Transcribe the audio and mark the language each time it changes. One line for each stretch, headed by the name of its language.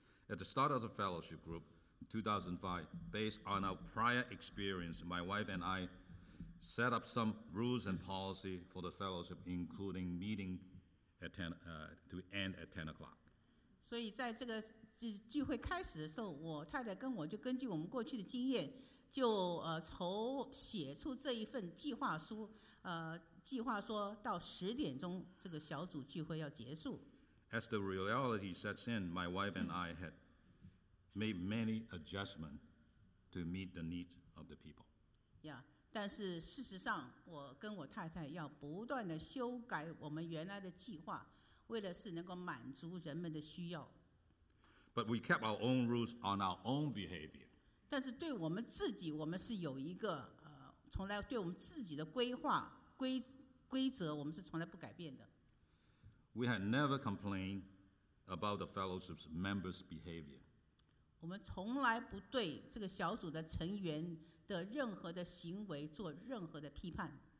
English: At the start of the fellowship group, 2005, based on our prior experience, my wife and I set up some rules and policy for the fellowship, including meeting at 10, to end at 10 o'clock.
Chinese: 所以在这个聚会开始的时候，我太太跟我就根据我们过去的经验，就筹写出这一份计划书，计划说到十点钟这个小组聚会要结束。
English: As the reality sets in, my wife and I had made many adjustments to meet the needs of the people.
Chinese: Yeah, 但是事实上，我跟我太太要不断的修改我们原来的计划，为的是能够满足人们的需要。
English: But we kept our own rules on our own behavior.
Chinese: 但是对我们自己，我们是有一个从来对我们自己的规划规则，我们是从来不改变的。
English: We had never complained about the fellowship's members' behavior.
Chinese: 我们从来不对这个小组的成员的任何的行为做任何的批判。